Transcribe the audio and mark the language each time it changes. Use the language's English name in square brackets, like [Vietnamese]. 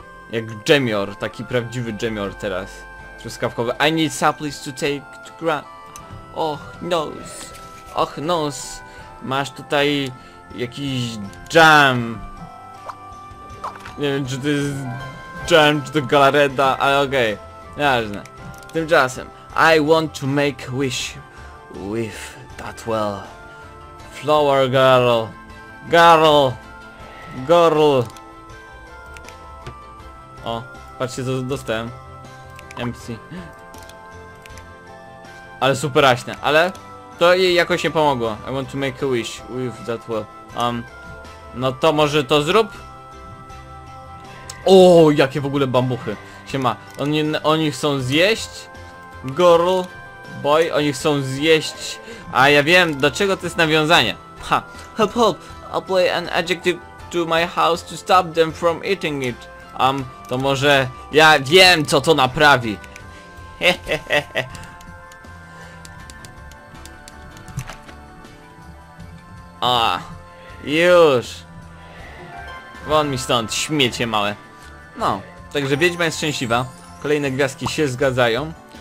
[Polish] Jak dżemior, taki prawdziwy dżemior teraz. Truskawkowy. [English] I need supplies to take to ground. [Polish] Och nos. Och nos. Masz tutaj jakiś dżem. Nie wiem, czy to jest dżem, czy to galareta, ale okej. Nieważne. Tymczasem. [English] I want to make wish with that well. Flower girl. Girl. Girl. [Polish] O, patrzcie, co dostałem. MC. Ale super raśne, ale... To jej jakoś nie pomogło. [English] I want to make a wish with that well. [Polish] No to może to zrób? O, jakie w ogóle bambuchy. Siema. Oni chcą zjeść? Girl. Boy, oni chcą zjeść. A ja wiem, do czego to jest nawiązanie. Ha. [English] Help, help. I'll play an adjective to my house to stop them from eating it. [Polish] to może ja wiem, co to naprawi. A, już. Wąd mi stąd, śmiecie małe. No, także wiedźma jest szczęśliwa. Kolejne gwiazdki się zgadzają.